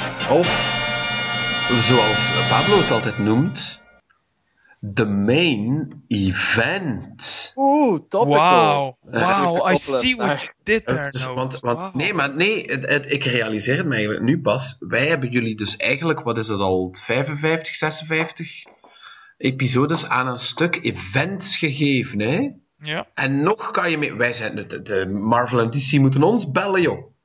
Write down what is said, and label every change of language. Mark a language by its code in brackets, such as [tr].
[nl] Of, zoals Pablo het altijd noemt, [en] the main event. [nl] Oeh, topical. [en] Wow, wow, I see what you did there. [nl] Dus, want wow. Nee, maar nee, ik realiseer het me eigenlijk nu pas. Wij hebben jullie dus eigenlijk, wat is het al, 55, 56 episodes aan een stuk events gegeven, hè? Ja. En nog kan je mee... Wij zijn de Marvel en DC moeten ons bellen, joh.